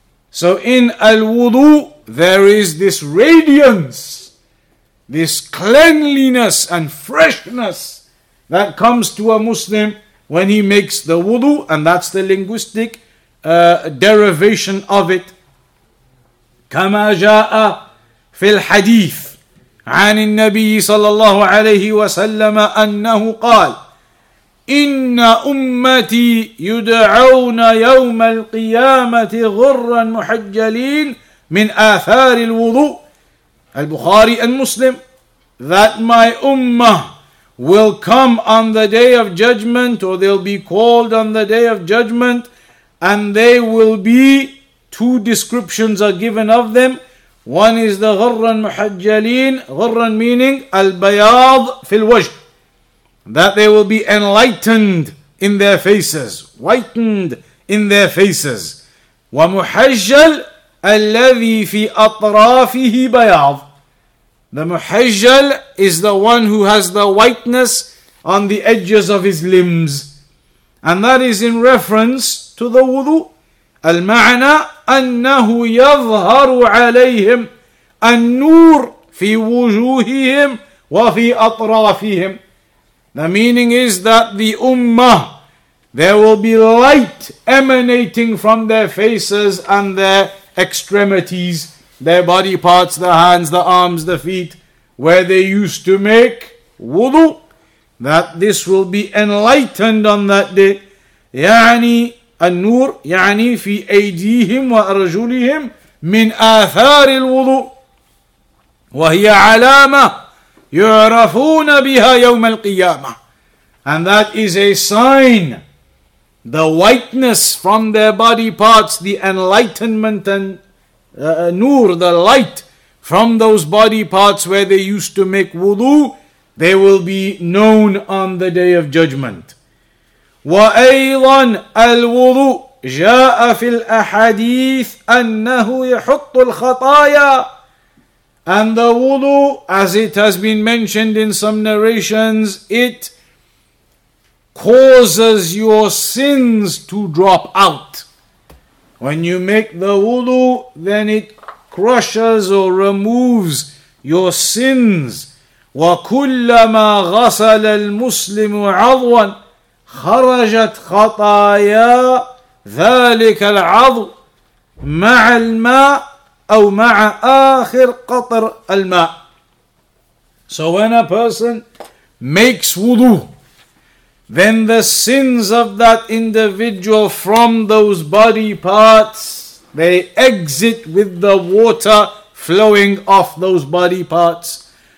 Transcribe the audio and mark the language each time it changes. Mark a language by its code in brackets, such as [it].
[en] So in al-wudu, there is this radiance, this cleanliness and freshness that comes to a Muslim when he makes the wudu, and that's the linguistic derivation of it. [ar] كَمَا جَاءَ فِي الْحَدِيثِ عن النبي صلى الله عليه وسلم أنه قال إن أمتي يدعون يوم القيامة غرا محجلين من آثار الوضوء. [en] البخاري and Muslim, that my ummah will come on the day of judgment, or they'll be called on the day of judgment, and they will be, two descriptions are given of them. One is the [ar] غرّاً محجّلين, [en] غرّاً meaning [ar] البياض في الوجه, [en] that they will be enlightened in their faces, whitened in their faces. [ar] ومحجّل الذي في أطرافه بياض. [en] The محجّل is the one who has the whiteness on the edges of his limbs. And that is in reference to the wudu. [ar] المعنى أنه يظهر عليهم النور في وجوههم وفي أطرافهم. [en] The meaning is that the ummah, there will be light emanating from their faces and their extremities, their body parts, the hands, the arms, the feet, where they used to make wudu, that this will be enlightened on that day. [ar] يعني النور يعني في أيديهم وأرجلهم من آثار الوضوء وهي علامة يعرفون بها يوم القيامة. [en] And that is a sign, the whiteness from their body parts, the enlightenment and nur, the light from those body parts where they used to make wudu, they will be known on the day of judgment. [ar] وأيضا الوضوء جاء في الأحاديث أنه يحط الخطايا. [en] And the wudu, as it has been mentioned in some narrations, it causes your sins to drop out. When you make the wudu, then it crushes or removes your sins. [ar] وكلما غسل المسلم عضوا خرجت خطايا ذلك العضو مع الماء أو مع آخر قطر الماء. [en] So when a person makes wudu, then the sins of that individual from those body parts, they exit with the water flowing off those body parts.